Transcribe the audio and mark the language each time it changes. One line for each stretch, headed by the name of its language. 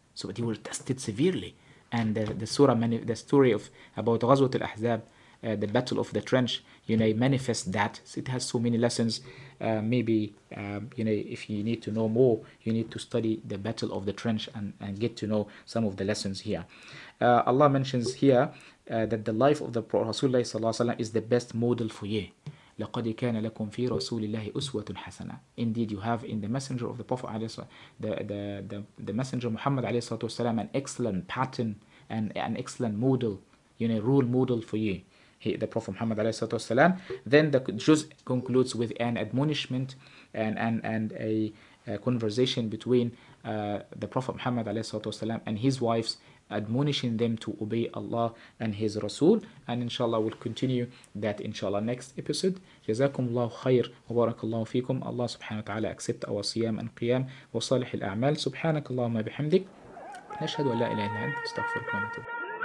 English: So they were tested severely. And the story of about Ghazwat al-Ahzab, the battle of the trench, you know, manifests that. It has so many lessons. You know, if you need to know more, you need to study the battle of the trench and get to know some of the lessons here. Allah mentions here that the life of the Rasulullah sallallahu alaihi wasallam is the best model for you.
Arabic: لقد كان لكم في رسول الله أسوة حسنة.
English: Indeed, you have in the messenger of the Prophet عليه الصلاة, the messenger Muhammad عليه الصلاة والسلام an excellent pattern and an excellent model, you know, role model for you. The Prophet Muhammad عليه الصلاة والسلام. Then the juz concludes with an admonishment and a conversation between the Prophet Muhammad عليه الصلاة والسلام and his wives, admonishing them to obey Allah and His Rasul. And inshallah, we'll continue that inshallah next episode.
Arabic: جزاكم الله خير وبارك الله فيكم.
English: Allah subhanahu wa ta'ala accept our siyam and qiyam
Arabic: وصالح الأعمال. سبحانك اللهم بحمدك نشهد أن لا إله إلا أنت استغفرك ونتوب إليك.